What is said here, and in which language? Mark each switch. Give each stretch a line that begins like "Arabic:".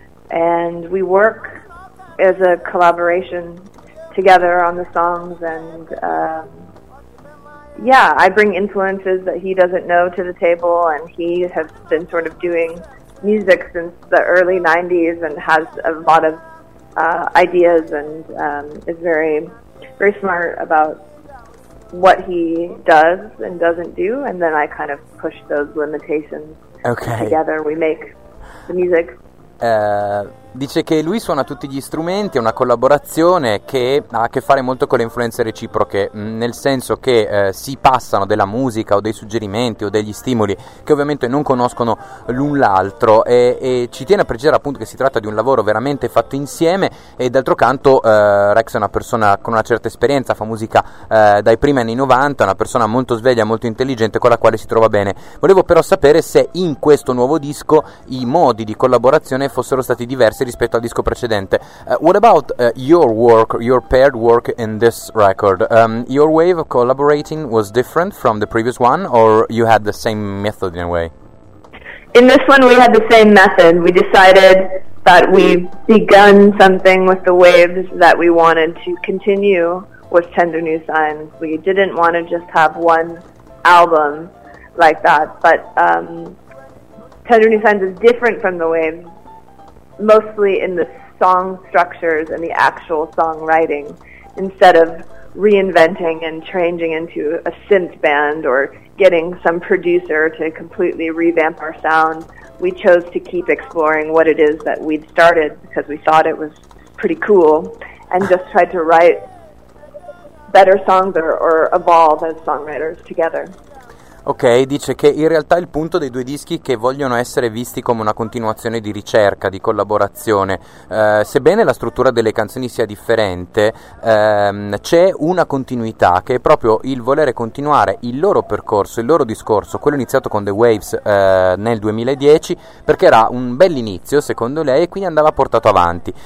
English: And we work as a collaboration together on the songs, and I bring influences that he doesn't know to the table, and he has been sort of doing music since the early 90s and has a lot of ideas and is very, very smart about what he does and doesn't do, and then I kind of push those limitations. Okay. Together we make the music.
Italian: Dice che lui suona tutti gli strumenti, è una collaborazione che ha a che fare molto con le influenze reciproche, nel senso che si passano della musica o dei suggerimenti o degli stimoli che ovviamente non conoscono l'un l'altro, e ci tiene a precisare appunto che si tratta di un lavoro veramente fatto insieme. E d'altro canto Rex è una persona con una certa esperienza, fa musica dai primi anni 90, è una persona molto sveglia, molto intelligente, con la quale si trova bene. Volevo però sapere se in questo nuovo disco i modi di collaborazione fossero stati diversi rispetto al disco precedente.
English: What about your work, your paired work in this record? Your way of collaborating was different from the previous one, or you had the same method in a way? In this one we had the same method. We decided that we've begun something with The Waves that we wanted to continue with Tender New Signs. We didn't want to just have one album like that, but Tender New Signs is different from The Waves, mostly in the song structures and the actual songwriting, instead of reinventing and changing into a synth band or getting some producer to completely revamp our sound. We chose to keep exploring what it is that we'd started because we thought it was pretty cool, and just tried to write better songs or evolve as songwriters together.
Italian: Ok, dice che in realtà il punto dei due dischi è che vogliono essere visti come una continuazione di ricerca, di collaborazione. Sebbene la struttura delle canzoni sia differente, c'è una continuità che è proprio il volere continuare il loro percorso, il loro discorso, quello iniziato con The Waves nel 2010, perché era un bell'inizio secondo lei, e quindi andava portato avanti.